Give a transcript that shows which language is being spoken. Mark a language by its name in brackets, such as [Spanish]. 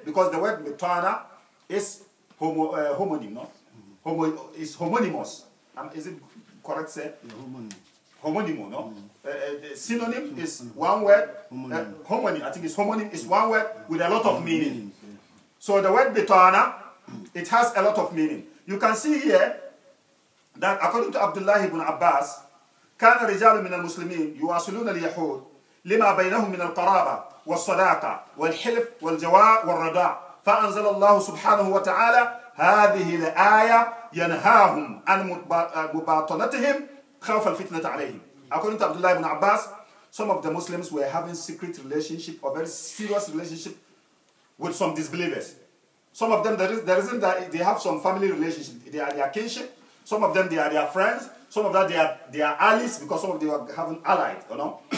[English] Because the word mitana is homonymous. Is homonymous. Is it correct say? Homonym. Homonym, no? Synonym is one word. Homonym. I think it's homonym is one word with a lot of meaning. So the word betana, it has a lot of meaning. You can see here that according to Abdullah ibn Abbas, [Arabic] كان رجال من المسلمين يواصلون اليهود لما بينهم من القرابة والصداقة والحلف والجواء والرضاع فأنزل الله سبحانه وتعالى هذه الآية ينهاهم عن مباطنتهم خوف الفتنة عليهم. [English] According to Abdullah ibn Abbas, some of the Muslims were having secret relationship or very serious relationship with some disbelievers. Some of them, the reason that they have some family relationship, they are their kinship. Some of them, they are their friends. Some of that, they are allies, because some of them were having allies, you know.